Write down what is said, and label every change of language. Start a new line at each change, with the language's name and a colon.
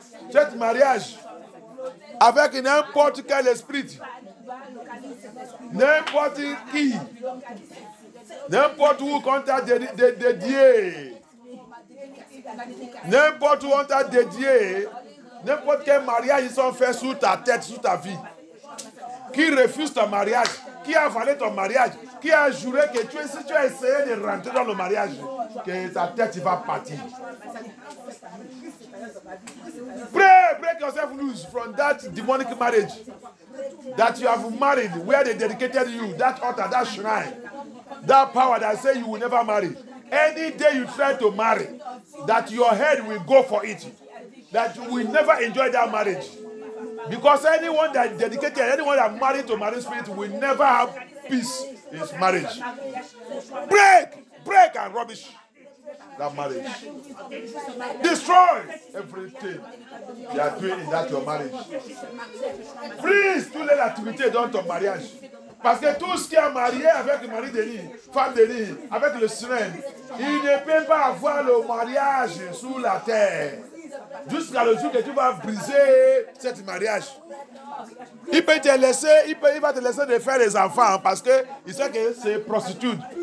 French: Cet mariage. Avec n'importe quel esprit, n'importe qui, n'importe où qu'on t'a dédié, n'importe où on t'a dédié, n'importe quel mariage ils ont fait sous ta tête, sous ta vie, qui refuse ton mariage, qui a avalé ton mariage, qui a juré que si tu as essayé de rentrer dans le mariage, que ta tête va partir.
English: Break yourself loose from that demonic marriage that you have married, where they dedicated you, that altar, that shrine, that power that say you will never marry. Any day you try to marry, that your head will go for it, that you will never enjoy that marriage. Because anyone that dedicated, anyone that married to marine spirit will never have peace in his marriage. Break and rubbish that marriage. Destroy everything you are doing in that your marriage. Freeze
French: toute l'activité dans ton mariage. Parce que tout ce qui est marié avec Marie Denis, femme Denis, avec le Sirène, il ne peut pas avoir le mariage sous la terre. Jusqu'à le jour que tu vas briser cet mariage. Il va te laisser de faire des enfants parce qu'il sait que c'est prostitute.